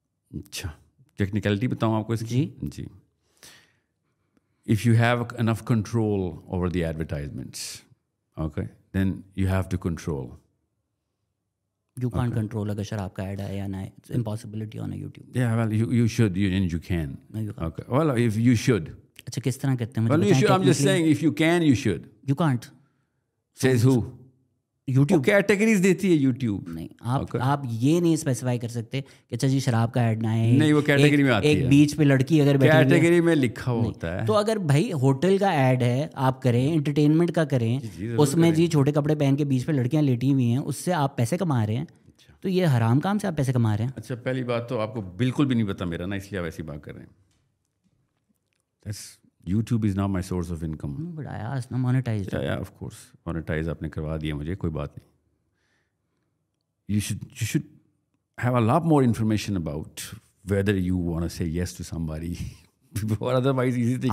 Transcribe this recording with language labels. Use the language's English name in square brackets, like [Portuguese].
[Urdu] اچھا ٹیکنیکلٹی بتاؤں آپ کو اس کی. جی [English] If you have enough control over the advertisements okay then you have to control. You can't okay. [Urdu] control اگر شراب کا ایڈ آیا نہ, [English] it's impossibility on a YouTube. Yeah, well, you should, you, and you can. No, you can't. Okay. Well, if you should. [Urdu] اچھا کس طرح کرتے ہیں؟ [English] Well, you should, I'm just saying, if you can, you should. You can't. Says who? YouTube. [Urdu] Okay, categories دیتی ہے YouTube. نہیں, آپ یہ نہیں specify کر سکتے کہ اچھا جی شراب کا ایڈ نہ آئے. نہیں, وہ category میں آتی ہے. ایک بیچ پہ لڑکی اگر بیٹھے. Category میں لکھا ہوتا ہے. تو اگر بھائی ہوٹل کا ایڈ ہے آپ کریں, انٹرٹینمنٹ کا کریں, اس میں جی چھوٹے کپڑے پہن کے بیچ پہ لڑکیاں لیٹی ہوئی ہیں, اس سے آپ پیسے کما رہے ہیں, تو یہ حرام کام سے آپ پیسے کما رہے ہیں؟ اچھا پہلی بات تو آپ کو بالکل بھی نہیں پتا میرا نا, اس لیے آپ ایسی بات کر رہے ہیں. [English] YouTube is not my source of income. But I asked, no, monetized. Yeah, yeah, of course. [Urdu] Monetize aapne karwa diya mujhe, koi baat nahi. [English] You should have a lot more information about whether you want to say yes to somebody. Or otherwise, easy thing.